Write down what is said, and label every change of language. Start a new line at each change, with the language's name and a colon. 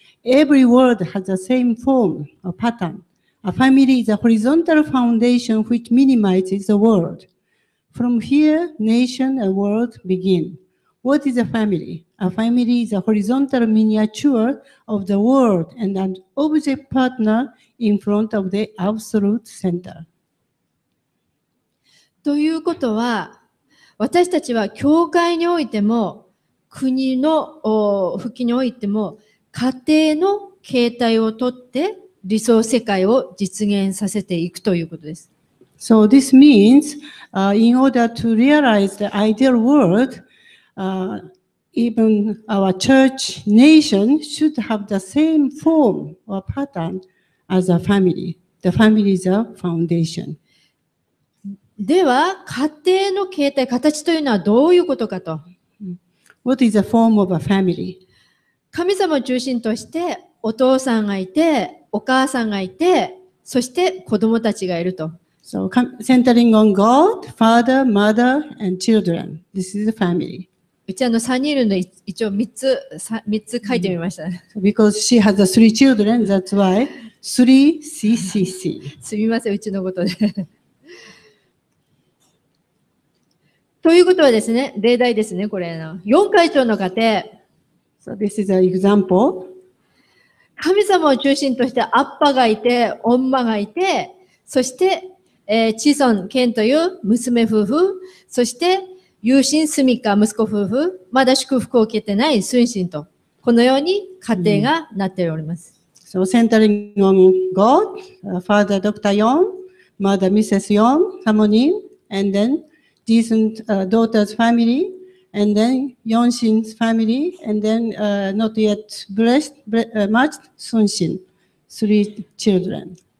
English: Every world has the same form or pattern. A family is a horizontal foundation which minimizes the world. From here, nation and world begin. What is a family? A family is a horizontal miniature of the world and an object partner in front of the absolute center.
Japanese: ということは、私たちは教会においても、国の復帰においても、家庭の形態をとって、理想世界を実現させていくということです。
English: So this means,in order to realize the ideal world,even our church nation should have the same form or pattern as a family. The family is a foundation.
Japanese: では家庭の形態、形というのはどういうことかと。
English: What is the form of a family?
Japanese: 神様を中心としてお父さんがいて、お母さんがいて、そして子供たちがいると。
English: So centering on God, father, mother, and children. This is a family.
Japanese: うちあの3人いるので一応3つ書いてみました。 Mm-hmm.
English: Because she has three children, that's why three CCC.
Japanese: すみません、うちのことで。ということはですね、例題ですね、これの。四階長の家庭。
English: So this is an example.
Japanese: 神様を中心として、アッパがいて、オンマがいて、そして、チソン、ケンという娘夫婦、そして、ユーシン、スミカ、息子夫婦、まだ祝福を受けてない、スンシンと、このように家庭がなっております。 Mm.
English: So centering on God, Father Dr. Yon, Mother Mrs. Yon, Samonin, and then,Decent daughter's family, and then Yonshin's family, and then not yet blessed, matched Sunshin, three children.